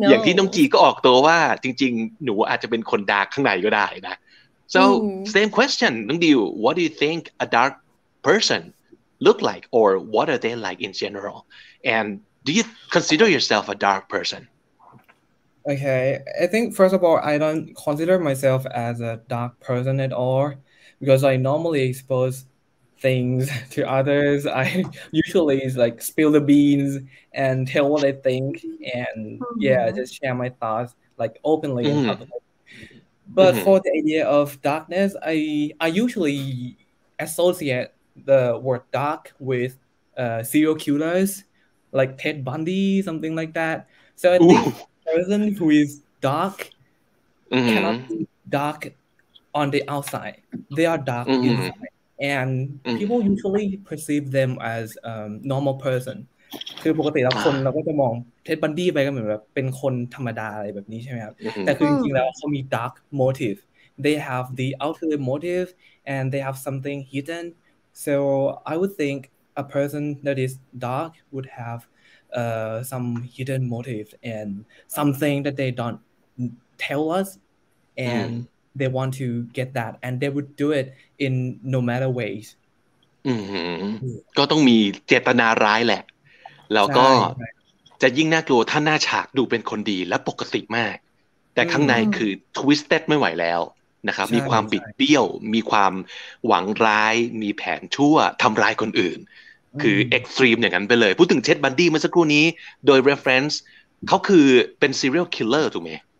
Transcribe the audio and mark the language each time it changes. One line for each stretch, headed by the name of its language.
Thai: อย่างที่น้องจีก็ออกตัวว่าจริงๆหนูอาจจะเป็นคนดาร์กข้างในก็ได้นะ
English: so same question น้องดิว what do you think a darkperson look like or what are they like in general and do you consider yourself a dark person okay I think first of all I don't consider myself as a dark person at all because I normally expose things to others I usually is like spill the beans and tell what I think and yeah just share my thoughts like openly in public. But for the idea of darkness I usually associateThe word dark with serial killers like Ted Bundy, something like that. So I think a person who is dark cannot be dark on the outside. They are dark inside. And people usually perceive them as normal person.
Thai: คือปกติแล้วคนเราก็จะมองเท็ดบันดี้ไปก็เหมือนแบบเป็นคนธรรมดาอะไรแบบนี้ใช่ไหมครับแต่คือจริงๆแล้วเขามี dark motive.
English: They have the outer motive and they have something hidden. So I would think a person that is dark would have some hidden motive and something that they don't tell us and they want to get that and they would do it in no matter ways
Thai: ก็ต้องมีเจตนาร้ายแหละแล้วก็จะยิ่งน่ากลัวถ้าหน้าฉากดูเป็นคนดีและปกติมากแต่ข้างในคือ twisted ไม่ไหวแล้วนะครับมีความบิดเบี้ยวมีความหวังร้ายมีแผนชั่วทำร้ายคนอื่นคือ extreme อย่างนั้นไปเลยพูดถึงเช็ดบันดี้เมื่อสักครู่นี้โดย reference เขาคือเป็น serial killer ถูกไหม